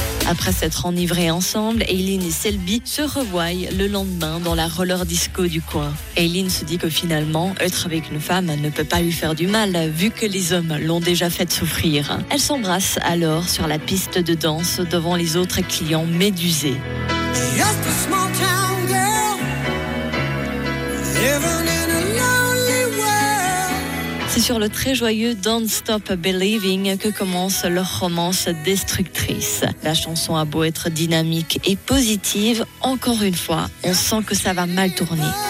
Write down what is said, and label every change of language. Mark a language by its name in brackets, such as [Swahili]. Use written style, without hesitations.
[French] Après s'être enivrés ensemble, Eileen et Selby se revoient le lendemain dans la roller disco du coin. Eileen se dit que finalement, être avec une femme ne peut pas lui faire du mal, vu que les hommes l'ont déjà fait souffrir. Elle s'embrasse alors sur la piste de danse devant les autres clients médusés. [English] Just a small town girl, living in a lonely world. [French] C'est sur le très joyeux Don't Stop Believing que commence leur romance destructrice. La chanson a beau être dynamique et positive, encore une fois, on sent que ça va mal tourner.